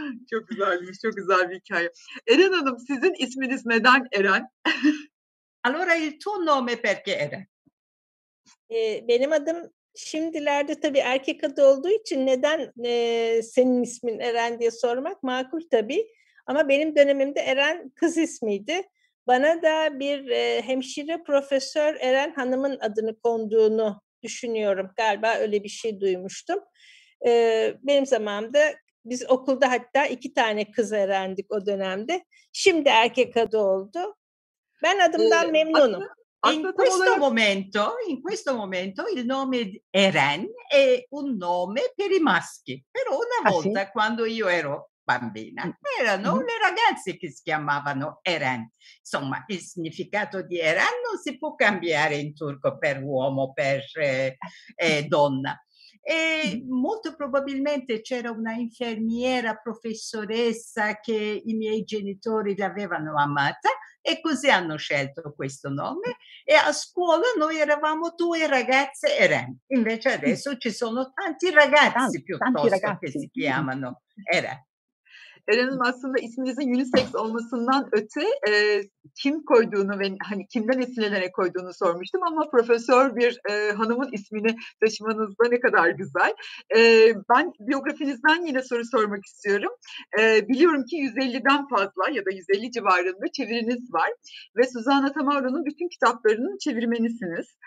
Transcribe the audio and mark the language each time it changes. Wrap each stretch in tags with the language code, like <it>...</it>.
<tr>Çok güzelmiş, çok güzel bir hikaye. Eren Hanım, sizin isminiz neden Eren?</tr> <it>Allora, il tuo nome perché Eren?</it> <tr>Benim adım şimdilerde tabii erkek adı olduğu için neden senin ismin Eren diye sormak makul tabii. Ama benim dönemimde Eren kız ismiydi. Bana da bir hemşire profesör Eren Hanım'ın adını konduğunu düşünüyorum. Galiba öyle bir şey duymuştum. Benim zamanımda biz okulda hatta iki tane kız Eren'dik o dönemde. Şimdi erkek adı oldu. Ben adımdan memnunum.</tr> <it>In questo momento il nome Eren è un nome per i maschi. Però una volta quando io ero bambina, erano le ragazze che si chiamavano Eren. Insomma, il significato di Eren non si può cambiare in turco per uomo, per donna. E molto probabilmente c'era una infermiera professoressa che i miei genitori l'avevano amata e così hanno scelto questo nome. E a scuola noi eravamo due ragazze Eren. Invece adesso ci sono tanti ragazzi che si chiamano Eren.</it> <tr>Eren'in aslında isminizin unisex olmasından öte kim koyduğunu ve hani kimden esinlenerek koyduğunu sormuştum ama profesör bir hanımın ismini taşımanız da ne kadar güzel. Ben biyografinizden yine soru sormak istiyorum. Biliyorum ki 150'den fazla ya da 150 civarında çeviriniz var ve Susanna Tamaro'nun bütün kitaplarının çevirmenisiniz.</tr>